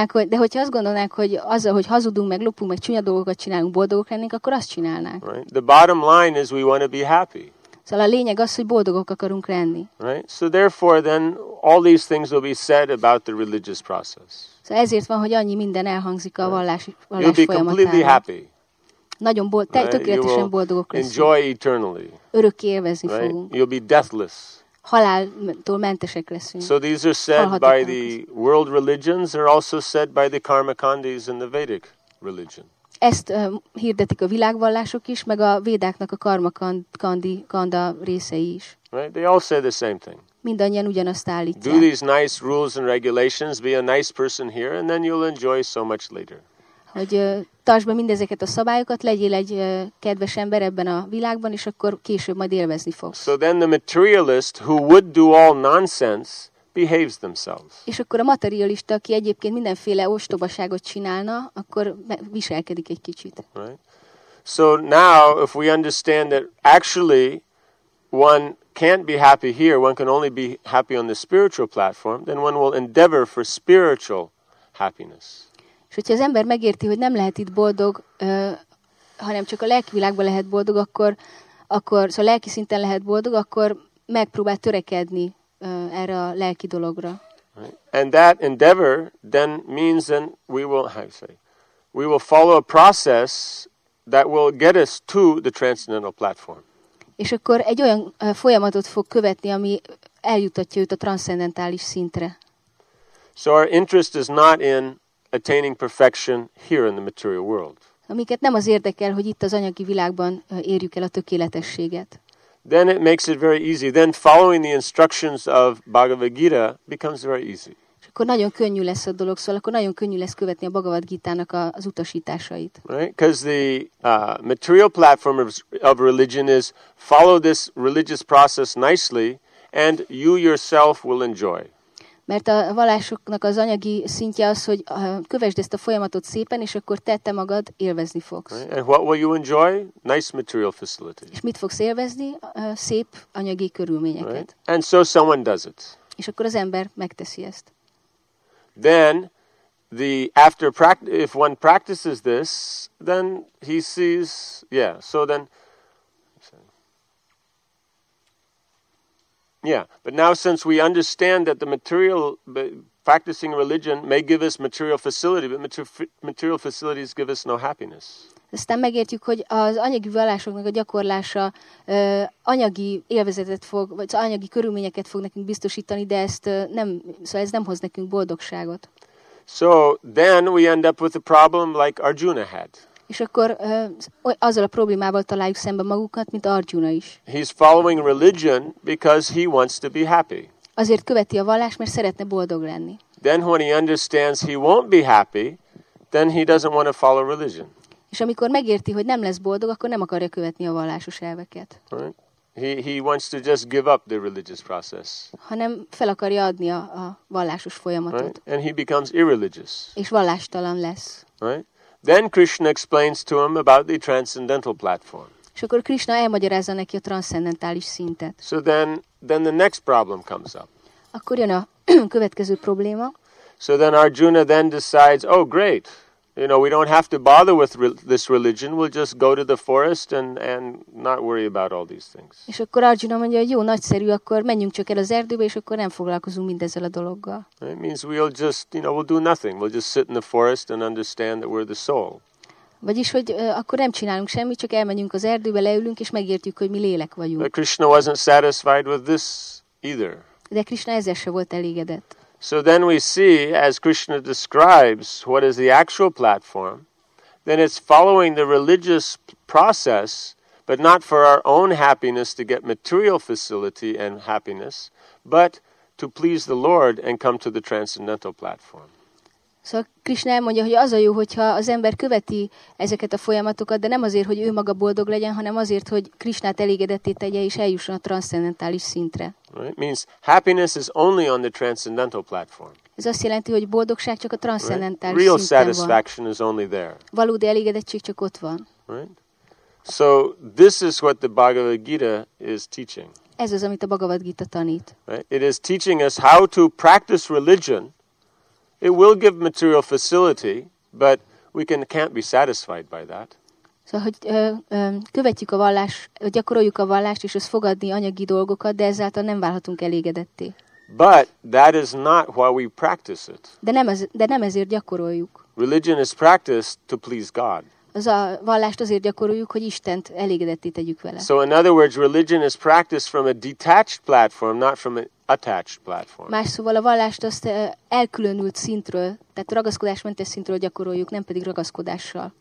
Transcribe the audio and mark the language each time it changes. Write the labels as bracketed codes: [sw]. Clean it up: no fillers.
[hu] Hogyha azt gondolnák, hogy azzal, hogy hazudunk, meg lopunk, meg csúnya dolgokat csinálunk, boldogok lennénk, akkor azt csinálnánk. [en] Right? The bottom line is we want to be happy. [hu] Szóval a lényeg az, hogy boldogok akarunk lenni. [en] Right? So therefore then all these things will be said about the religious process. [hu] Szóval ezért van, hogy annyi minden elhangzik a vallás folyamatában. [en] You'll be completely happy. [hu] Nagyon tökéletesen boldogok leszünk. [en] Enjoy eternally. [hu] Örökké élvezni fogunk. [en] You'll be deathless. [hu] Haláltól mentesek leszünk. [en] So these are said by the world religions, are also said by the Karmakandis and the Vedic religion. [hu] Ezt hirdetik a világvallások is, meg a védáknak a Karmakanda részei is. [en] Right? They all say the same thing. [hu] Mindannyian ugyanazt állítják. [en] Do these nice rules and regulations, be a nice person here, and then you'll enjoy so much later. [hu] Hogy tartsd be mindezeket a szabályokat, legyél egy kedves ember ebben a világban, és akkor később majd élvezni fogsz. [en] So then the materialist who would do all nonsense behaves themselves. [hu] És akkor a materialista, aki egyébként mindenféle ostobaságot csinálna, akkor viselkedik egy kicsit. [en] Right. So now if we understand that actually one can't be happy here, one can only be happy on the spiritual platform, then one will endeavor for spiritual happiness. [hu] És hogyha az ember megérti, hogy nem lehet itt boldog, hanem csak a lelki világban lehet boldog, akkor szóval lelki szinten lehet boldog, akkor megpróbál törekedni erre a lelki dologra. [en] Right. And that endeavor then means then we will, how say, we will follow a process that will get us to the transcendental platform. [hu] És akkor egy olyan folyamatot fog követni, ami eljutatja őt a transzcendentális szintre. [en] So our interest is not in attaining perfection here in the material world. [hu] Amiket nem az érdekel, hogy itt az anyagi világban érjük el a tökéletességet. [en] Then it makes it very easy. Then following the instructions of Bhagavad Gita becomes very easy. [hu] És akkor nagyon könnyű lesz a dolog, szóval akkor nagyon könnyű lesz követni a Bhagavad Gita-nak az utasításait. [en] Right? Because the material platform of religion is follow this religious process nicely and you yourself will enjoy. [hu] Mert a vallásoknak az anyagi szintje az, hogy kövesd ezt a folyamatot szépen, és akkor te magad élvezni fogsz. [en] Right. And what will you enjoy? Nice material facility. [hu] És mit fogsz élvezni? Szép anyagi körülményeket. [en] Right. And so someone does it. [hu] És akkor az ember megteszi ezt. [en] Then, the after if one practices this, then he sees, yeah, so then, yeah, but now since we understand that the material, practicing religion may give us material facility, but material facilities give us no happiness. [hu] Aztán megértjük, hogy az anyagi vallásoknak a gyakorlása anyagi élvezetet fog, vagy anyagi körülményeket fog nekünk biztosítani, de ezt nem, szóval ez nem hoz nekünk boldogságot. [en] So then we end up with a problem like Arjuna had. [hu] És akkor azzal a problémával találjuk szembe magukat, mint Arjuna is. [en] He's following religion because he wants to be happy. [hu] Azért követi a vallást, mert szeretne boldog lenni. [en] Then when he understands he won't be happy, then he doesn't want to follow religion. [hu] És amikor megérti, hogy nem lesz boldog, akkor nem akarja követni a vallásos elveket. [en] Right. He wants to just give up the religious process. [hu] Hanem fel akarja adni a vallásos folyamatot. [en] Right. And he becomes irreligious. [hu] És vallástalan lesz. [en] Right. Then Krishna explains to him about the transcendental platform. [hu] És akkor Krishna elmagyarázza neki a transzcendentális szintet. [en] So then the next problem comes up. [hu] Akkor jön a következő probléma. [en] So then Arjuna then decides, oh great. You know, we don't have to bother with this religion. We'll just go to the forest and not worry about all these things. [hu] És akkor Arjuna mondja, hogy jó, nagyszerű, akkor menjünk csak el az erdőbe, és akkor nem foglalkozunk mindezzel a dologgal. [en] It means we'll just, you know, we'll do nothing. We'll just sit in the forest and understand that we're the soul. [hu] Vagyis, hogy akkor nem csinálunk semmit, csak elmegyünk az erdőbe, leülünk, és megértjük, hogy mi lélek vagyunk. [en] But Krishna wasn't satisfied with this either. [hu] De Krishna ezzel se volt elégedett. [en] So then we see, as Krishna describes what is the actual platform, then it's following the religious process, but not for our own happiness to get material facility and happiness, but to please the Lord and come to the transcendental platform. [hu] So Krishna mondja, hogy az a jó, hogyha az ember követi ezeket a folyamatokat, de nem azért, hogy ő maga boldog legyen, hanem azért, hogy Krishnát elégedetté tegye és eljusson a transzcendentális szintre. [en] Right? Means happiness is only on the transcendental platform. [hu] Ez azt jelenti, hogy boldogság csak a transzcendentális szinten van. [en] Real satisfaction is only there. [hu] Valódi elégedettség csak ott van. [en] Right? So this is what the Bhagavad Gita is teaching. [hu] Ez az, amit a Bhagavad Gita tanít. [en] Right? It is teaching us how to practice religion. It will give material facility, but we can't be satisfied by that. [hu] So, hogy követjük a vallást, gyakoroljuk a vallást, és ezt fogadni anyagi dolgokat, de ezáltal nem válhatunk elégedetté. [en] But that is not why we practice it. [hu] De nem ezért gyakoroljuk. [en] Religion is practiced to please God. [hu] Az a vallást azért gyakoroljuk, hogy Istent elégedetté tegyük vele. [en] So in other words, religion is practiced from a detached platform, not from an attached platform. [hu] Más szóval a vallást azt elkülönült szintről, tehát ragaszkodásmentes szintről gyakoroljuk, nem pedig ragaszkodással.